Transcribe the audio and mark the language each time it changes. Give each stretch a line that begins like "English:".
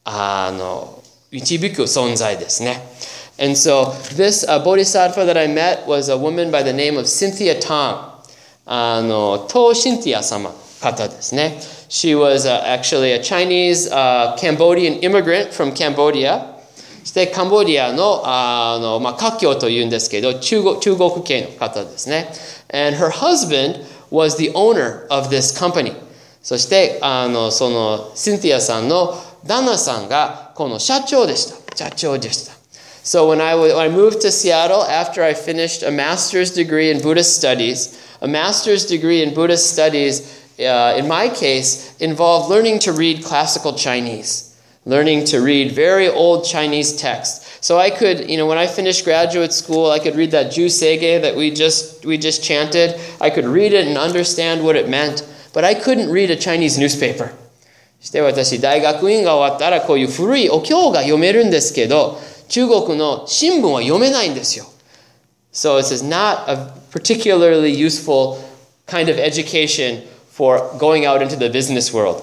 Japanese: 菩薩というのは私たちを導いて、こういう悟りの地に届くように導く存在ですね。
English: And so this bodhisattva that I met was a woman by the name of Cynthia Tong.
Japanese: To Cynthia-sama方ですね.
English: She was actually a Chinese Cambodian immigrant from Cambodia.
Japanese: そしてカンボディアの、まあ、華僑というんですけど、中国系の方ですね.
English: And her husband was the owner of this company.
Japanese: そして、そのCynthia-さんの旦那さんがこの社長でした。社長でした。
English: So when I moved to Seattle after I finished a master's degree in Buddhist studies, a master's degree in Buddhist studies, in my case, involved learning to read classical Chinese, learning to read very old Chinese texts. So I could, you know, when I finished graduate school, I could read that Ju Sege that we just chanted. I could read it and understand what it meant, but I couldn't read a Chinese newspaper.
Japanese: して私大学院が終わったらこういう古いお経が読めるんですけど、 中国の新聞は読めないんですよ。
English: So it is not a particularly useful kind of education for going out into the business world.